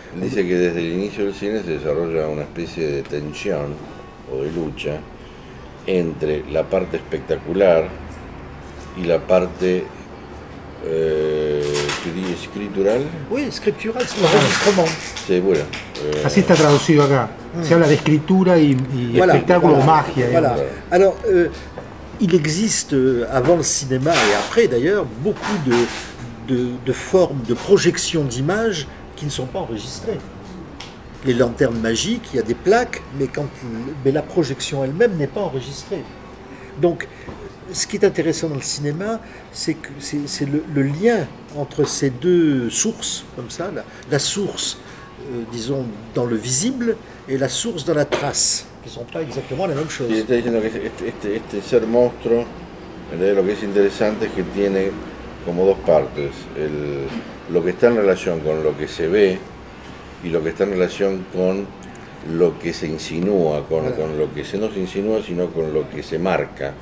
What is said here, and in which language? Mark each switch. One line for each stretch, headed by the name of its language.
French: Il dit que dès l'initio du cinéma, se déroule une espèce de tension ou de
Spanish: lucha
French: entre la part spectaculaire et la part. Tu dis scriptural? Oui, scriptural, c'est l'enregistrement. C'est voilà.
Spanish: Así está traducido acá. Se habla de escritura y
French: voilà,
Spanish: espectáculo, voilà, magia.
French: Voilà. Voilà. Alors, il existe avant le cinéma et après d'ailleurs beaucoup de formes de projection d'images qui ne sont pas enregistrées. Les lanternes magiques, il y a des plaques, mais la projection elle-même n'est pas enregistrée. Donc, ce qui est intéressant dans le cinéma, c'est que c'est le lien entre ces deux sources, comme ça, la source, disons, dans le visible, et la source dans la trace, qui ne sont pas exactement la même chose. Il
Spanish: está diciendo que este ser monstruo, en realidad, lo que es interesante es que tiene como dos partes, lo que está en relación con lo que se ve, y lo que está en relación con lo que se insinúa, con lo que se no se insinúa, sino con lo que se marca.